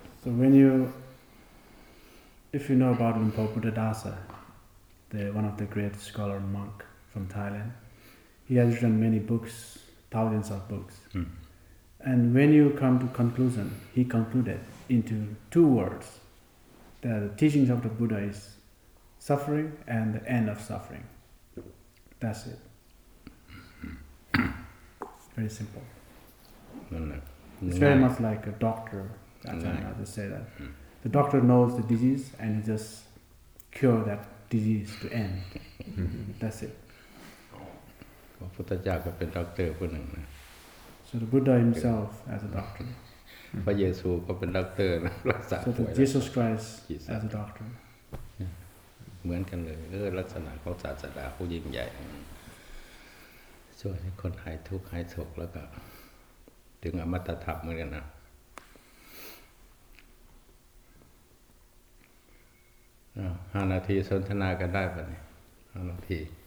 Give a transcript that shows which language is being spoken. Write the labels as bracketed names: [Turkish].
[English] so when you if you know about Lumpur Buddhadasa the one of the great scholar monk from Thailand he has written many books thousands of books And when you come to conclusion, he concluded into two words, that the teachings of the Buddha is suffering and the end of suffering. That's it. Very simple. It's very much like a doctor, I just say that. The doctor knows the disease and he just cure that disease to end. That's it. Buddha is a doctor. So the Buddha himself as a doctor. [Thai] พระเยซูก็เป็นด็อกเตอร์นะรักษาป่วย [English] So the Jesus Christ as a doctor. [Thai] เหมือนกันเลยเออลักษณะของศาสดาผู้ยิ่งใหญ่ช่วยให้คนหายทุกข์หายโศกแล้วก็ถึงอมตะธรรมเหมือนกันนะ5นาทีสนทนากันได้ป่ะเนี่ย5นาที